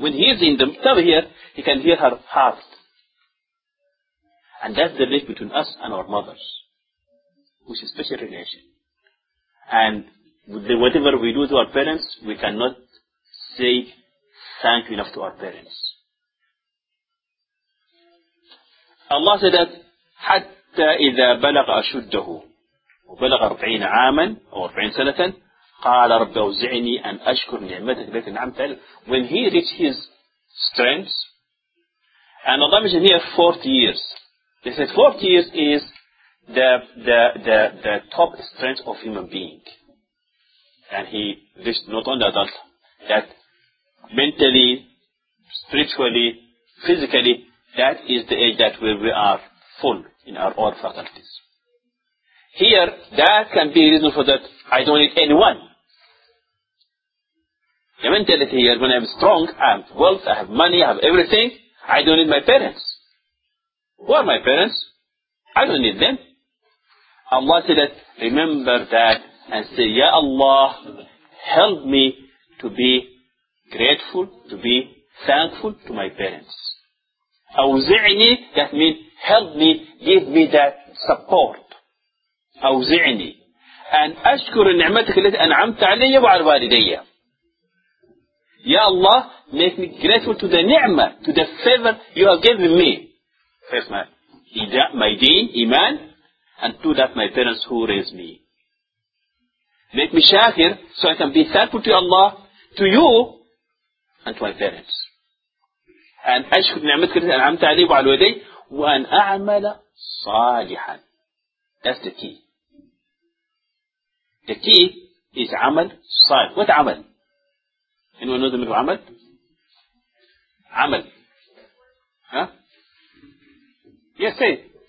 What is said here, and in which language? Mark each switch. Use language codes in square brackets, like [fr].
[en] When he is in the tub here, he can hear her heart. And that's the link between us and our mothers. Which is a special relation. And whatever we do to our parents, we cannot say thank you enough to our parents. Allah said that [ar] حَتَّى إِذَا بَلَغَ أَشُدَّهُ وَبَلَغَ 40 عَامًا أو 40 سَنَةً قَالَ رَبَّ أَوْزِعْنِي أَنْ أَشْكُرْ نِعْمَتَكَ الَّتِي أَنْعَمْتَ عَلَيَّ. [en] When he reached his strength, and Allah mentioned here 40 years. They said 40 years is the top strength of human being. And he reached not only adult, that mentally, spiritually, physically, that is the age that where we are full in our own faculties. Here, that can be a reason for that I don't need anyone. The mentality here, when I'm strong, I have wealth, I have money, I have everything, I don't need my parents. Who are my parents? I don't need them. Allah said that, remember that and say, Ya Allah, help me to be grateful, to be thankful to my parents. [ar] أوزعني, [en] that means help me, give me that support. [ar] أوزعني أن أشكر نعمتك التي أنعمت علي وعلى والدي. يا الله, [en] make me grateful to the ni'mah, to the favor you have given me. First, my deen, iman, and to that my parents who raised me. Make me shakir, so I can be thankful to Allah, to you, and to my parents. And [ar] أشكر نعمتك التي أنعمت علي وعلى والدي وأن أعمل صالحا. [en] That's the key. The key is [ar] عمل صالح. [en] What عمل? Anyone know the meaning of عمل? عمل. Huh? Yes, say.